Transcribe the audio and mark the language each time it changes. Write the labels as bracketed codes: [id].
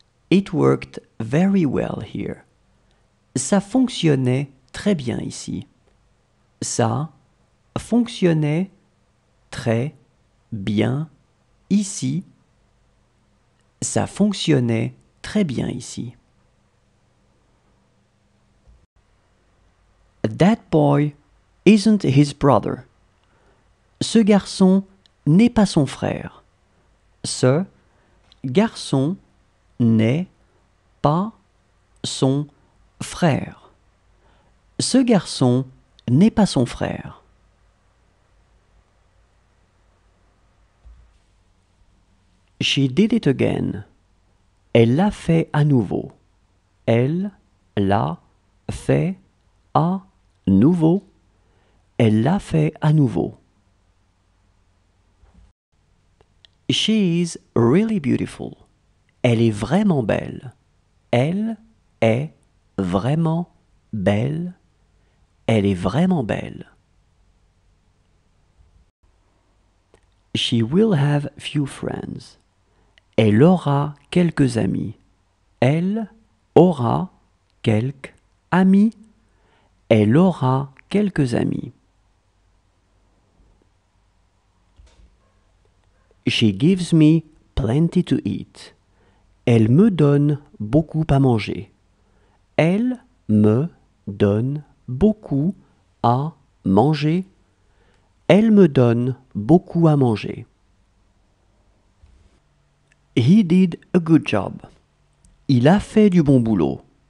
[en] It worked very well here. [fr] Ça fonctionnait très bien ici. Ça fonctionnait très bien ici. Ça fonctionnait très bien ici. [en] That boy isn't his brother. [fr] Ce garçon n'est pas son frère. Ce garçon n'est pas son frère. Ce garçon n'est pas son frère. [en] She did it again. [fr] Elle l'a fait à nouveau. Elle l'a fait à nouveau. Elle l'a fait à nouveau. [en] She is really beautiful. [fr] Elle est vraiment belle. Elle est vraiment belle. Elle est vraiment belle. [en] She will have few friends. [fr] Elle aura quelques amis. Elle aura quelques amis. Elle aura quelques amis. [en] She gives me plenty to eat. [fr] Elle me donne beaucoup à manger. Elle me donne beaucoup à manger. Elle me donne beaucoup à manger. [en] He did a good job. [fr] Il a fait du bon boulot.